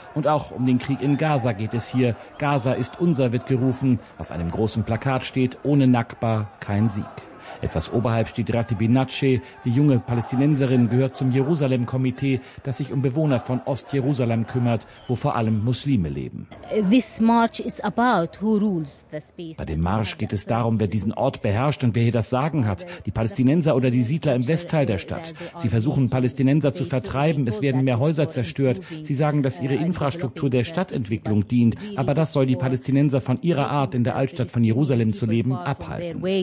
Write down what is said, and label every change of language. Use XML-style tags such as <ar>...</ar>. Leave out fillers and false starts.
<de>Und auch um den Krieg in Gaza geht es hier. Gaza ist unser, wird gerufen. Auf einem großen Plakat steht, ohne Nakba kein Sieg. Etwas oberhalb steht Rati Binache, die junge Palästinenserin, gehört zum Jerusalem-Komitee, das sich um Bewohner von Ost-Jerusalem kümmert, wo vor allem Muslime leben.</de> <en>This march is about who rules the space.</en> <de>Bei dem Marsch geht es darum, wer diesen Ort beherrscht und wer hier das Sagen hat, die Palästinenser oder die Siedler im Westteil der Stadt. Sie versuchen, Palästinenser zu vertreiben, es werden mehr Häuser zerstört. Sie sagen, dass ihre Infrastruktur der Stadtentwicklung dient, aber das soll die Palästinenser von ihrer Art, in der Altstadt von Jerusalem zu leben, abhalten.</de>